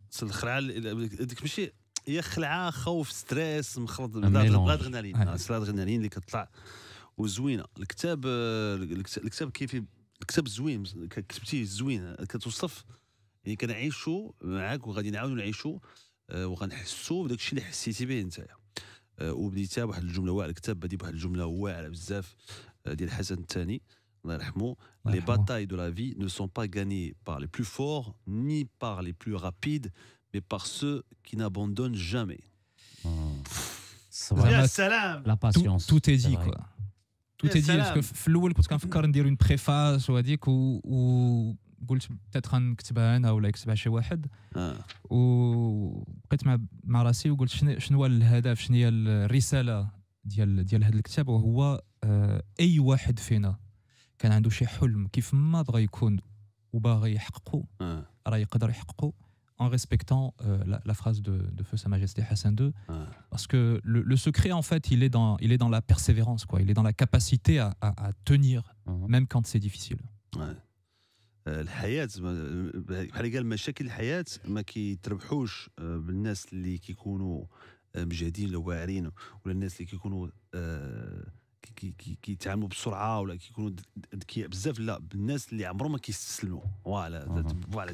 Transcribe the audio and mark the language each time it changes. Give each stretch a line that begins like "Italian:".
Arabic: صل الخرعال ديك ماشي هي خلعه خوف ستريس مخلط بالادرينالين اللي كتطلع وزوينه الكتاب الكتاب كيفي الكتاب زوين كتبتيه زوين كتوصف يعني كنعيشوا معاك وغادي نعاودوا نعيشوا وغنحسوا بداك الشيء اللي حسيتي به نتايا وبديتها بواحد الجمله واعره الكتاب بدي بواحد الجمله واعره بزاف ديال الحسن الثاني الله يرحمه
French: les batailles de la vie ne sont pas gagnées par les plus forts ni par les plus rapides mais par ceux qui n'abandonnent jamais
Arabic: السلام
French: la patience tout est dit quoi tout est dit parce que
Arabic: فالاول كنت كنفكر ندير
French: une préface ou
Arabic: هذيك و قلت
French: peut-être
Arabic: نكتبها انا ولا نكتبها شي واحد و بقيت مع راسي وقلت شنو هو الهدف شنو هي الرساله ديال هذا الكتاب وهو اي واحد فينا كان عنده شي حلم كيف ما بغى يكون وباغي يحققه راه يقدر يحققه
French: en respectant la phrase de feu sa majesté Hassan II parce que le secret en fait il est dans la persévérance quoi il est dans la capacité à tenir même quand c'est difficile
Arabic: الحياه بحال قال مشاكل الحياه ما كيتربحوش بالناس اللي كيكونوا مجاهدين ولا واعرين ولا الناس اللي كيكونوا كي يتعاملوا بسرعه ولا كيكونوا ذكي بزاف لا بالناس اللي عمرهم ما كيستسلموا فوالا فوالا